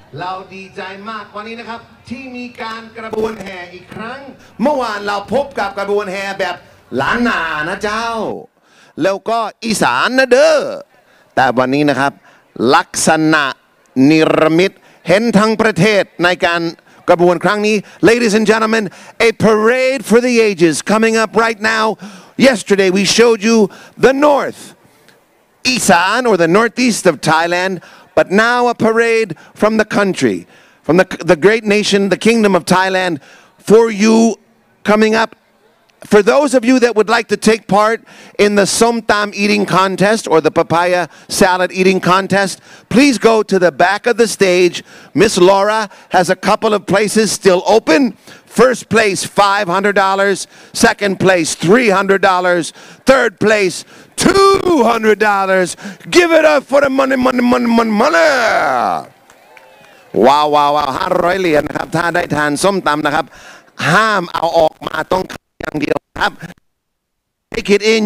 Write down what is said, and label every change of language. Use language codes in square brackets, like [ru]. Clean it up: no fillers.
[th] เราดีใจมากวันนี้นะครับที่มีการกระบวนแห่อีกครั้งเมื่อวานเราพบกับกระบวนแห่แบบล้านนานะเจ้าแล้วก็อีสานนะเด้อแต่วันนี้นะครับลักษณะนิรมิตเห็นทั้งประเทศในการกระบวนครั้งนี้ [en] Ladies and gentlemen, a parade for the ages coming up right now. Yesterday we showed you the north, Isan or the northeast of Thailand. But now a parade from the country, from the great nation, the kingdom of Thailand, for you coming up. For those of you that would like to take part in the Som Tam eating contest or the papaya salad eating contest, please go to the back of the stage. Miss Laura has a couple of places still open. First place, $500. Second place, $300. Third place, $200. Give it up for the money, money, money, money, money. Wow, wow, wow. [th] ห้าร้อยเหรียญนะครับถ้าได้ทานส้มตำนะครับห้ามเอาออกมาต้องขายอย่างเดียวครับ [en] Take it in.